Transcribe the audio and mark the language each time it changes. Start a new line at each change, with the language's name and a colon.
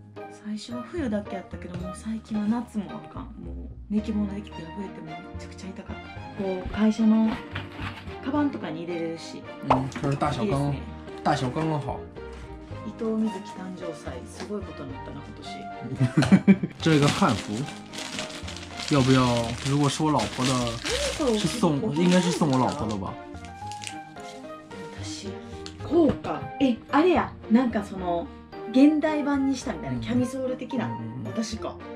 Japanese: 最初は冬だけやったけど、もう最近は夏もあかん、もう寝着物できて破れてもめちゃくちゃ痛かった、こう会社のカバンとかに入れるし、
Chinese: うん、これ大小刚、大小刚刚好、
Japanese: 伊藤瑞希誕生祭、すごいことになったな今年
Chinese: 这个汉服要不要，如果是我老婆的，是送，应该是送我老婆的吧。
Japanese: 私、こうか。え、あれや、なんかその現代版にしたみたいな、キャミソール的な、うん、私か。